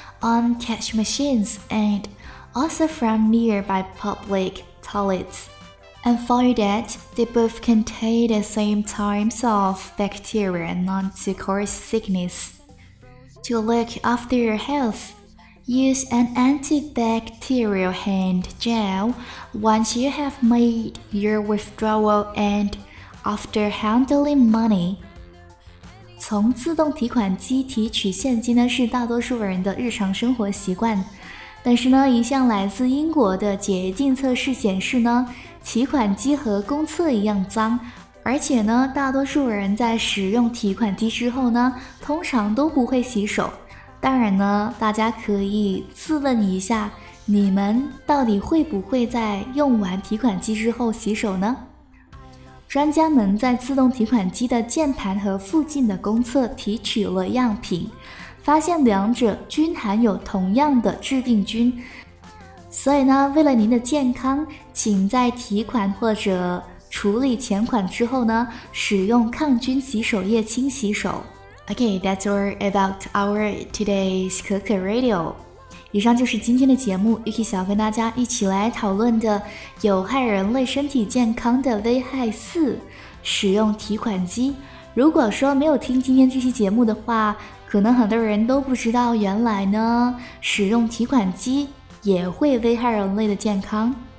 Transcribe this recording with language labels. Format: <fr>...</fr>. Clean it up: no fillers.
<en>On cash machines and also from nearby public toilets, and find that they both contain the same types of bacteria known to cause sickness. To look after your health, use an antibacterial hand gel once you have made your withdrawal and after handling money.</en> <zh>从自动提款机提取现金呢，是大多数人的日常生活习惯。但是呢，一项来自英国的洁净测试显示呢，提款机和公厕一样脏，而且呢，大多数人在使用提款机之后呢，通常都不会洗手。当然呢，大家可以自问一下，你们到底会不会在用完提款机之后洗手呢？专家们在自动提款机的键盘和附近的公厕提取了样品，发现两者均含有同样的致病菌。所以呢，为了您的健康，请在提款或者处理钱款之后呢，使用抗菌洗手液清洗手。</zh> <en>Okay, that's all about our today's Kuka Radio.</en> <zh>以上就是今天的节目，玉琪想要跟大家一起来讨论的有害人类身体健康的危害四，使用提款机。如果说没有听今天这期节目的话，可能很多人都不知道，原来呢，使用提款机也会危害人类的健康。</zh>